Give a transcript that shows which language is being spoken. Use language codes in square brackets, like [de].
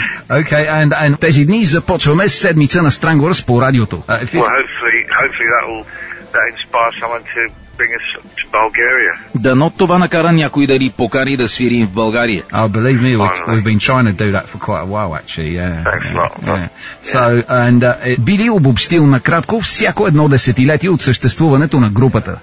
[bg] Okay, and тези дни започваме седмица на Stranglers по радиото. [en] Well, hopefully that inspire someone to bring us to Bulgaria. [bg] Дано това накара някой да ни покани да свирим в България. [en] Oh, believe me, we've been trying to do that for quite a while, actually. Yeah. Thanks a lot. [bg] So, and Billy обобщил накратко всяко едно десетилетие от съществуването на групата.